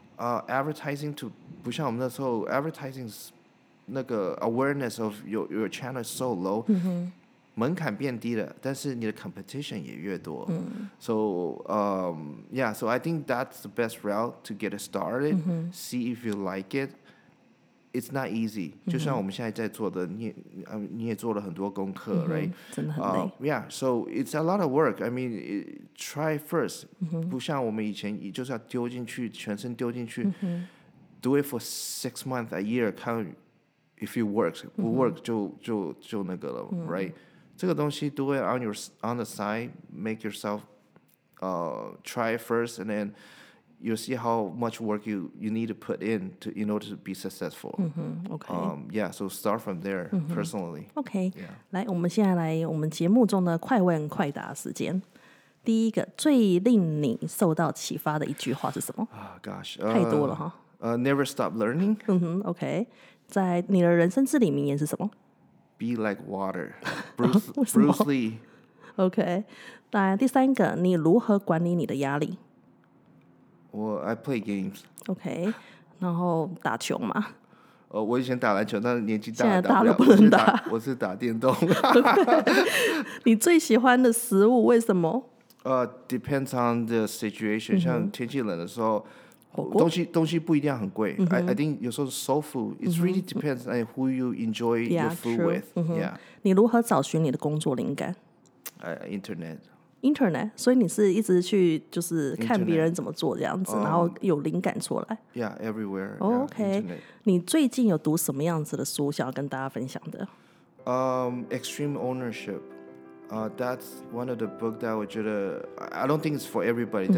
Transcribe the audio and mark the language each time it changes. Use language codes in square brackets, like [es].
[en] Advertising to [zh] 不像我们那时候 [en] Advertising [zh] 那个 [en] awareness of your channel is so low、 mm-hmm. [zh] 门槛变低了但是你的 competition 也越多、 mm-hmm. [en] So yeah so I think that's the best route to get it started、 mm-hmm. see if you like it it's not easy、 mm-hmm. [zh] 就像我们现在在做的 你也做了很多功课、 mm-hmm. [en] right [zh] 真的很累、 [en] yeah so it's a lot of work I mean try first、 mm-hmm. [zh] 不像我们以前就是要丢进去全身丢进去、 mm-hmm. [en] do it for 6 months a year count if it works、 mm-hmm. [zh] 不 work 就那个了、 mm-hmm. [en] right [zh] 这个东西 [en] do it on the side make yourself try first and thenYou'll see how much work you need to put in order to be successful. Mm-hmm, okay. Yeah, so start from there, personally. Mm-hmm. Okay. Yeah. [zh] 来，我们现在来我们节目中的快问快答时间。第一个，最令你受到启发的一句话是什么？ [en] Gosh. [zh] 太多了哈。 [en] Never stop learning. Mm-hmm, okay. [zh] 在你的人生至理名言是什么？ [en] Be like water. Bruce Lee. Okay. [zh] 来，第三个，你如何管理你的压力？ [en] Well, I play games. Okay. [zh] 然后打球嘛。我以前打篮球，但是年纪大了，现在大了不能打。我是打电动。你最喜欢的食物为什么？ [en] Depends on the situation、嗯。 [zh] 像天气冷的时候，东西不一定很贵。嗯、 [en] I think [zh] 有时候 [en] soul food。 It really depends on who you enjoy your food with、嗯。 Yeah。 [zh] 你如何找寻你的工作灵感？ [en] Internet。 [zh] Internet， 所以你是一直去就是看别人怎么做这样子、 [en] Internet. [zh] 然后有灵感出来。 [en] Yeah, everywhere. Yeah, OK、 Internet. [zh] 你最近有读什么样子的书想要跟大家分享的？ [en] Extreme Ownership、That's one of the book that [zh] 我觉得 [en] I don't think it's for everybody、